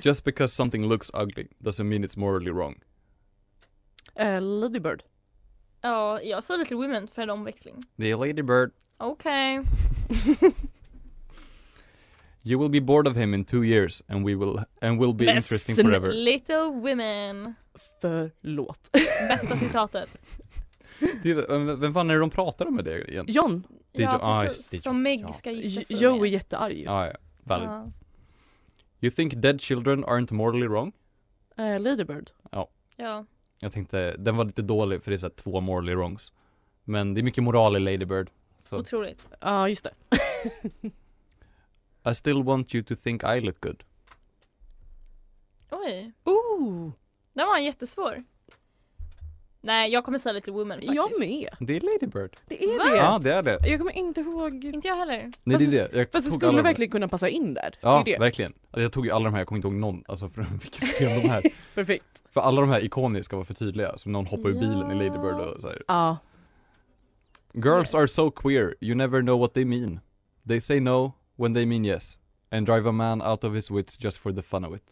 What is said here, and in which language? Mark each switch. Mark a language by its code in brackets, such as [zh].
[en] Just because something looks ugly doesn't mean it's morally wrong. Lady Bird. [sv] Ja, jag sa Little Women för en omväxling. Det är Lady Bird. Okej. Okay. [en] You will be bored of him in 2 years and we'll be best interesting forever. Little Women. [sv] Förlåt. Bästa citatet. Vem fan är de pratar om det egentligen? John. Det är ja, precis. Som Meg ska gifta sig. Joe är jättearg. Ah, ja, väldigt. [en] You think dead children aren't morally wrong? Lady Bird. [sv] Ja. Ja. Jag tänkte, den var lite dålig för det är så här två [en] morally wrongs. [sv] Men det är mycket moral i Lady Bird. Så. Otroligt. Ja, just det. [en] I still want you to think I look good. [sv] Oj. Ooh. Den var jättesvår. Nej, jag kommer säga Little Women faktiskt. Jag med. Det är Lady Bird. Det är det. Ja, det är det. Jag kommer inte ihåg. Inte jag heller. Nej, det är det. Fast det skulle verkligen kunna passa in där. Ja, det är det. Verkligen. Jag tog ju alla de här, jag kommer inte ihåg någon. Alltså, för vilka betyder de här? Perfekt. För alla de här ikoniska var för tydliga. Som någon hoppar ur bilen i Lady Bird och så här. Ja. [en] Girls are so queer. You never know what they mean. They say no when they mean yes. And drive a man out of his wits just for the fun of it.